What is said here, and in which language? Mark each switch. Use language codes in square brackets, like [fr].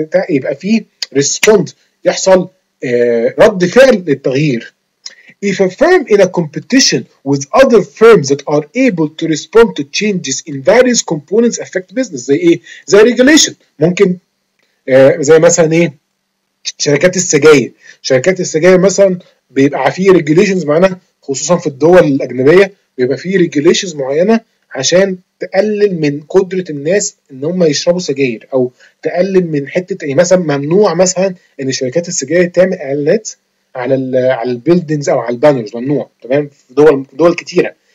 [ar] يبقى في respond، يحصل رد فعل للتغيير. [en] If a firm in a competition with other firms that are able to respond to changes in various components affect business، [ar] زي ايه؟ زي [en] regulation. [ar] ممكن زي مثلا ايه؟ شركات السجاير. شركات السجاير مثلا بيبقى فيه regulations، معناها خصوصا في الدول الأجنبية بيبقى فيه regulations معينة عشان تقلل من قدرة الناس ان هم يشربوا سجاير، او تقلل من حتة يعني مثلا ممنوع مثلا ان شركات السجاير تعمل اعلانات على البيلدينجز او على البانرز، ممنوع، تمام، في دول كتيرة.